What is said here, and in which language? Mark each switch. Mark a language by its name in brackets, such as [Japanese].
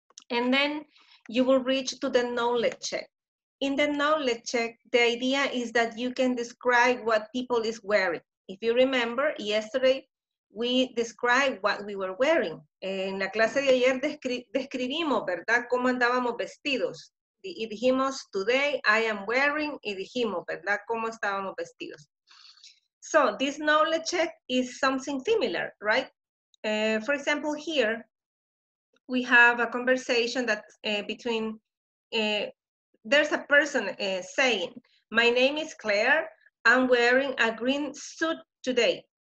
[English] And then you will reach to the knowledge check. In the knowledge check, the idea is that you can describe what people is wearing. If you remember yesterday, we describe what we were wearing. [Spanish] En la clase de ayer describimos, ¿verdad? Cómo andábamos vestidos. Y dijimos, [English] today I am wearing, [Spanish] y dijimos, ¿verdad? Cómo estábamos vestidos. [English] So, this knowledge check is something similar, right? For example, here, we have a conversation that between, there's a person saying, my name is Claire, I'm wearing a green suit today.